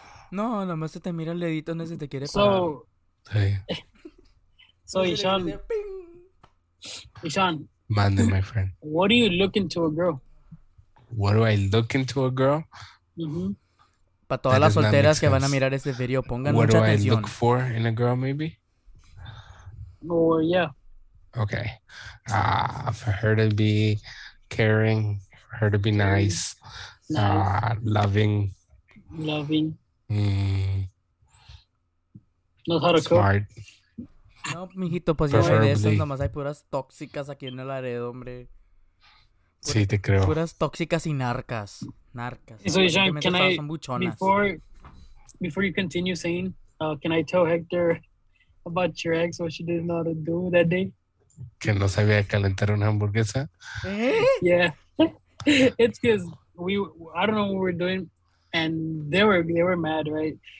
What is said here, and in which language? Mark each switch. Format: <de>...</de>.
<es>No, nada más se te mira el dedito, no se te quiere parar.</es> <en>So. Hey. So, Ishaan. Ishaan.</en> <es>Mande,</es> <en>my friend. What do you look into a girl? What do I look into a girl? Mm-hmm.</en> <es>Para todas las solteras que van a mirar este video, pongan mucha atención.</es> <en>What do I look for in a girl, maybe? Or, yeah. Okay. For her to be caring, for her to be nice. Loving. Loving. Mm. Know how to smart. Cook.</en> <es>No, mijito, pues ya de eso, nomás hay puras tóxicas aquí en el Laredo, hombre. Puras, sí, te creo. Puras tóxicas y narcas. Narcas.</es> <en>So, Ishaan, can I, before you continue saying, can I tell Hector about your ex, what she didn't know how to do that day?</en> <es>Que no sabía calentar una hamburguesa.</es> <en>¿Eh? Yeah. It's because I don't know what we're doing, and they were mad, right?</en>